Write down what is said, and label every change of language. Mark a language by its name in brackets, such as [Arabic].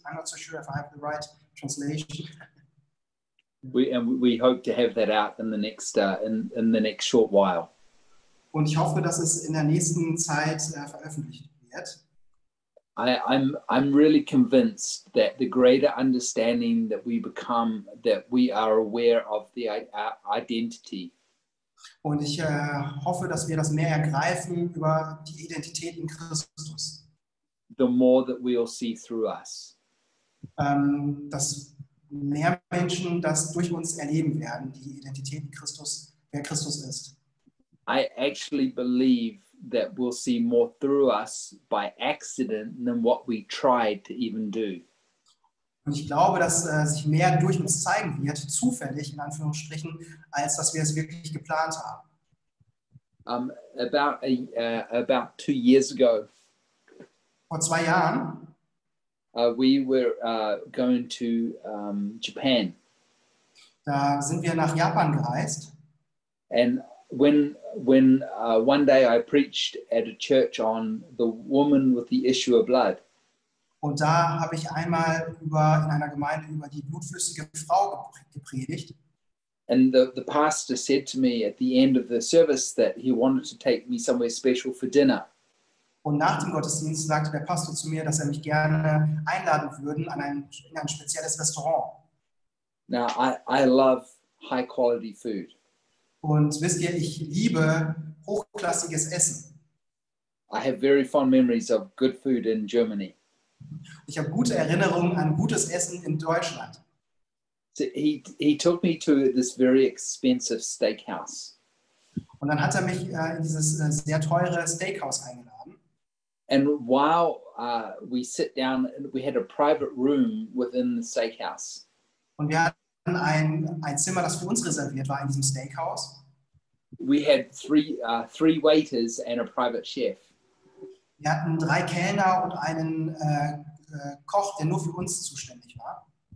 [English] I'm not so sure if I have the right translation. We hope to have that out in the next short while. [German] Und ich hoffe, dass es in der nächsten Zeit veröffentlicht wird. [English] I'm really convinced that the greater understanding that we become, that we are aware of the identity. [German] Und ich hoffe, dass wir das mehr ergreifen über die Identität in Christus. [English] The more that we'll see through us. [German] Dass mehr Menschen das durch uns erleben werden, die Identität in Christus, wer Christus ist. [English] I actually believe that we'll see more through us by accident than what we tried to even do. [German] Und ich glaube, dass sich mehr durch uns zeigen wird, zufällig in Anführungsstrichen, als dass wir es wirklich geplant haben. [English] About 2 years ago. [German] Vor 2 Jahren. [English] We were going to Japan. [German] Da sind wir nach Japan gereist. [English] And when one day I preached at a church on the woman with the issue of blood. [German] Und da habe ich einmal in einer Gemeinde über die blutflüssige Frau gepredigt. [English] And the pastor said to me at the end of the service that he wanted to take me somewhere special for dinner. [German] Und nach dem Gottesdienst sagte der Pastor zu mir, dass mich gerne einladen würde in ein spezielles Restaurant. [English] Now, I love high quality food. [German] Und wisst ihr, ich liebe hochklassiges Essen. [English] I have very fond memories of good food in Germany. [German] Ich habe gute Erinnerungen an gutes Essen in Deutschland. [English] So he took me to this very expensive steakhouse. [German] Und dann hat mich in dieses sehr teure Steakhouse eingeladen. [English] And while we sit down, we had a private room within the steakhouse. [German] Und wir hatten ein Zimmer, das für uns reserviert war in diesem Steakhouse. [English] We had three waiters and a private chef. [German] Wir hatten 3 Kellner und einen Koch, der nur für uns zuständig war.